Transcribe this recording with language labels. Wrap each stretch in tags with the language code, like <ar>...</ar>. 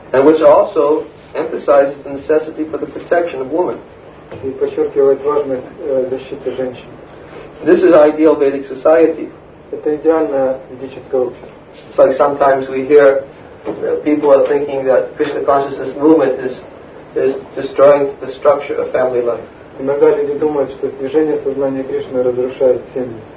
<en>And which also emphasizes the necessity for the protection of women.</en> <ru>И подчеркивает важность защиты женщин.</ru> <en>This is ideal Vedic society.</en> <ru>Это идеальное ведическое общество.</ru> <en>It's like sometimes we hear people are thinking that Krishna consciousness movement is destroying the structure of family life.</en> <ru>Иногда люди думают, что движение сознания Кришны разрушает семьи.</ru>